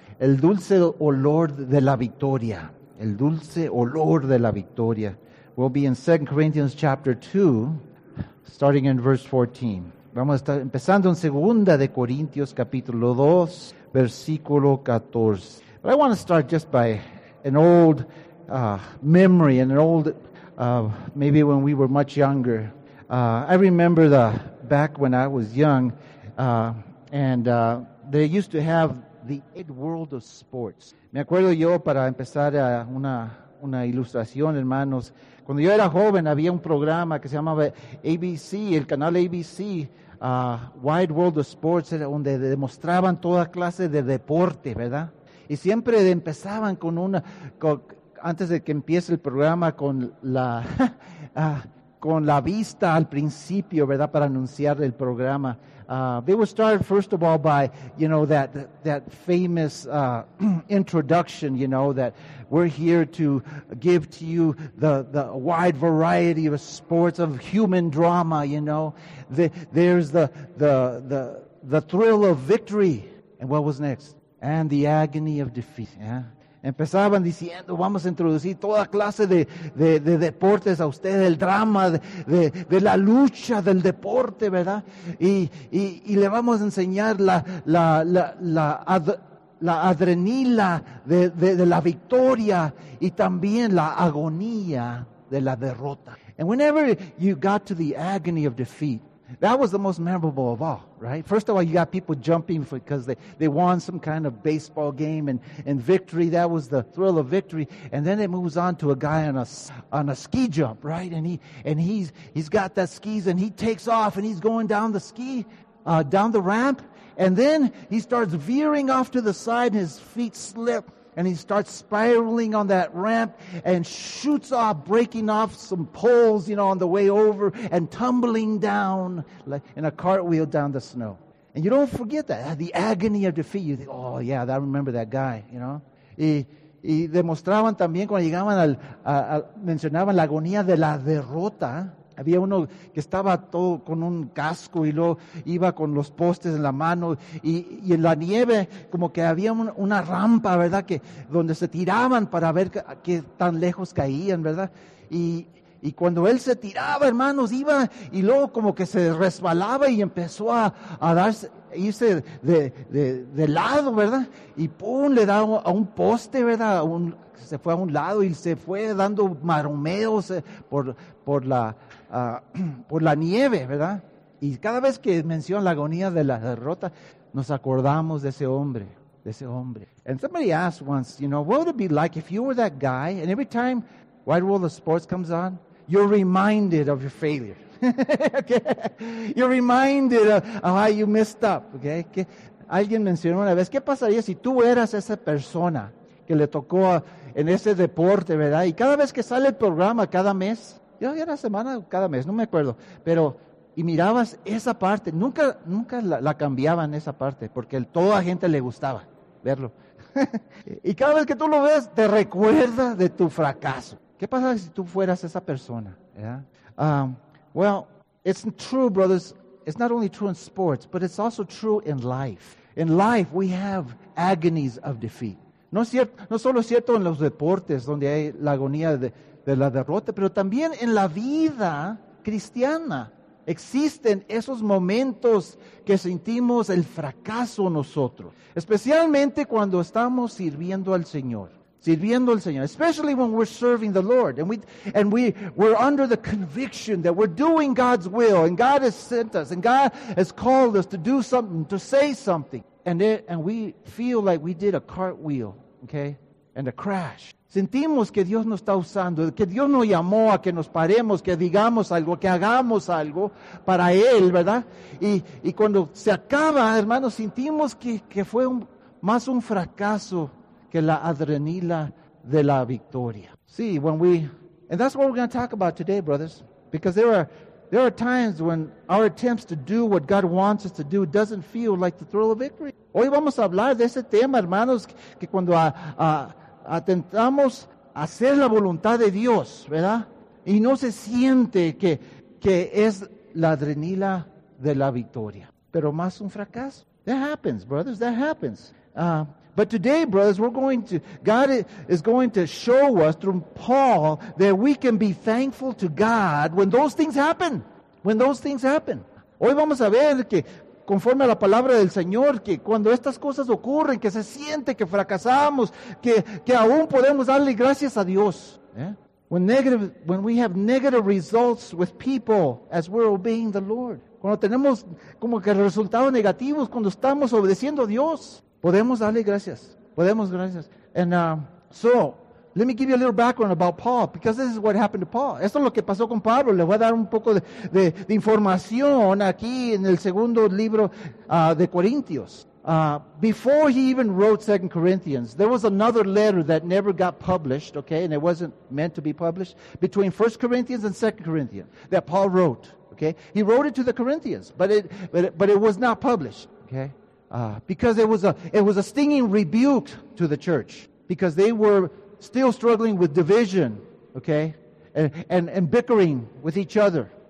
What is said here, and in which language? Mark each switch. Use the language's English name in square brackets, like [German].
[Spanish] El dulce olor de la victoria. El dulce olor de la victoria. [English] We'll be in 2 Corinthians chapter 2, starting in verse 14. [Spanish] Vamos a estar empezando en 2 Corintios capítulo 2, versículo 14. [English] But I want to start just by an old memory, an old, maybe when we were much younger. I remember back when I was young, they used to have the Ed World of Sports. [Spanish] Me acuerdo yo, para empezar una ilustración, hermanos, cuando yo era joven había un programa que se llamaba ABC, el canal ABC, Wide World of Sports, era donde demostraban toda clase de deporte, ¿verdad? Y siempre empezaban con una, antes de que empiece el programa, con la... con la vista al principio, ¿verdad?, para anunciar el programa. [English] They would start, first of all, by, you know, that famous introduction, you know, that we're here to give to you the wide variety of sports, of human drama, you know. There's the thrill of victory. And what was next? And the agony of defeat, yeah. [Spanish] Empezaban diciendo, vamos a introducir toda clase de deportes a usted, el drama de la lucha del deporte, ¿verdad? Y le vamos a enseñar la adrenalina de la victoria y también la agonía de la derrota. [English] And whenever you got to the agony of defeat, that was the most memorable of all, right? First of all, you got people jumping because they won some kind of baseball game and victory. That was the thrill of victory. And then it moves on to a guy on a ski jump, right? And he's got that skis and he takes off and he's going down the ski, down the ramp. And then he starts veering off to the side and his feet slip. And he starts spiraling on that ramp and shoots off, breaking off some poles, you know, on the way over and tumbling down like in a cartwheel down the snow. And you don't forget that, the agony of defeat. You think, oh, yeah, I remember that guy, you know. [Spanish] Y demostraban también cuando llegaban mencionaban la agonía de la derrota. Había uno que estaba todo con un casco y luego iba con los postes en la mano y en la nieve como que había una rampa, ¿verdad?, que donde se tiraban para ver qué tan lejos caían, ¿verdad? Y cuando él se tiraba, hermanos, iba y luego como que se resbalaba y empezó irse de lado, ¿verdad? Y pum, le da a un poste, ¿verdad? Se fue a un lado y se fue dando maromeos por la nieve, ¿verdad? Y cada vez que menciona la agonía de la derrota, nos acordamos de ese hombre, de ese hombre. [English] And somebody asked once, you know, what would it be like if you were that guy, and every time Wide World of Sports comes on, you're reminded of your failure. Okay. You're reminded of how you messed up. Okay. [Spanish] Alguien mencionó una vez, ¿qué pasaría si tú eras esa persona que le tocó en ese deporte, verdad? Y cada vez que sale el programa, cada mes, ya era semana, cada mes, no me acuerdo, pero y mirabas esa parte, nunca la cambiaban esa parte, porque toda gente le gustaba verlo. Y cada vez que tú lo ves, te recuerda de tu fracaso. ¿Qué pasaría si tú fueras esa persona, verdad? [English] Well, it's true, brothers. It's not only true in sports, but it's also true in life. In life, we have agonies of defeat. [Spanish] No solo es cierto en los deportes donde hay la agonía de la derrota, pero también en la vida cristiana existen esos momentos que sentimos el fracaso nosotros, especialmente cuando estamos sirviendo al Señor. Sirviendo al Señor, [English] especially when we're serving the Lord and we're under the conviction that we're doing God's will and God has sent us and God has called us to do something, to say something, and we feel like we did a cartwheel, okay, and a crash. [Spanish] Sentimos que Dios nos está usando, que Dios nos llamó a que nos paremos, que digamos algo, que hagamos algo para Él, ¿verdad? Y cuando se acaba, hermanos, sentimos que fue más un fracaso que la adrenalina de la victoria. [English] See, and that's what we're going to talk about today, brothers, because there are times when our attempts to do what God wants us to do doesn't feel like the thrill of victory. [Spanish] Hoy vamos a hablar de ese tema, hermanos, que cuando atentamos hacer la voluntad de Dios, ¿verdad? Y no se siente que es la adrenalina de la victoria. Pero más un fracaso. [English] That happens, brothers, that happens. But today, brothers, God is going to show us through Paul that we can be thankful to God when those things happen. When those things happen. [Spanish] Hoy vamos a ver que conforme a la palabra del Señor, que cuando estas cosas ocurren, que se siente que fracasamos, que aún podemos darle gracias a Dios. [English] Yeah? When we have negative results with people as we're obeying the Lord. [Spanish] Cuando tenemos como que resultados negativos, cuando estamos obedeciendo a Dios. Podemos darle gracias. Podemos gracias. [English] So, let me give you a little background about Paul, because this is what happened to Paul. [Spanish] Esto es lo que pasó con Pablo. Le voy a dar un poco de información aquí en el segundo libro de Corintios. [English] Before he even wrote 2 Corinthians, there was another letter that never got published, okay, and it wasn't meant to be published, between 1 Corinthians and 2 Corinthians that Paul wrote, okay? He wrote it to the Corinthians, but it was not published, okay? Because it was a stinging rebuke to the church, because they were still struggling with division, okay, and bickering with each other.